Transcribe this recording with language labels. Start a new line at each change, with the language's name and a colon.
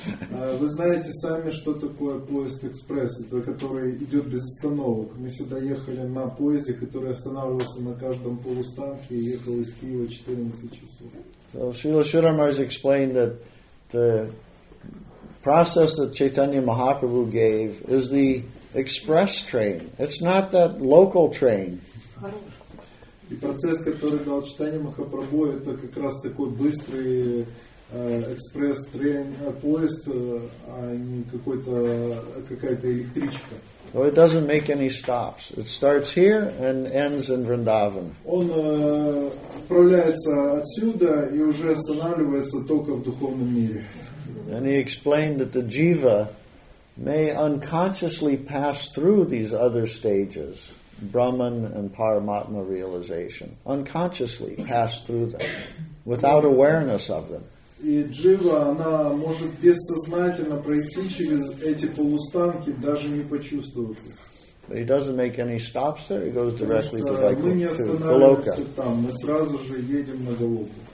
Russian: Вы знаете сами, что такое поезд экспресс, это который идет без остановок. Мы сюда ехали на поезде, который останавливался на каждом полустанке и ехал из Киева 14 часов.
English: So Srila Sridhar Maharaj explained that the process that Chaitanya Mahaprabhu gave is the express train. It's not that local train.
Russian: И процесс, который дал Чайтанья Махапрабху, это как раз такой быстрый экспресс трейн, поезд, а не какая-то электричка.
English: So it doesn't make any stops. It starts here and ends in Vrindavan.
Russian: Он отправляется отсюда и уже останавливается только в духовном мире.
English: And he explained that the jiva may unconsciously pass through these other stages, Brahman and Paramatma realization, unconsciously pass through them without awareness of them.
Russian: И джива, она может бессознательно пройти через эти полустанки, даже не почувствовав их.
English: He doesn't make any stops there. He goes directly to Vaikuntha.
Russian: Мы не останавливаемся там, мы сразу же едем на Голоку.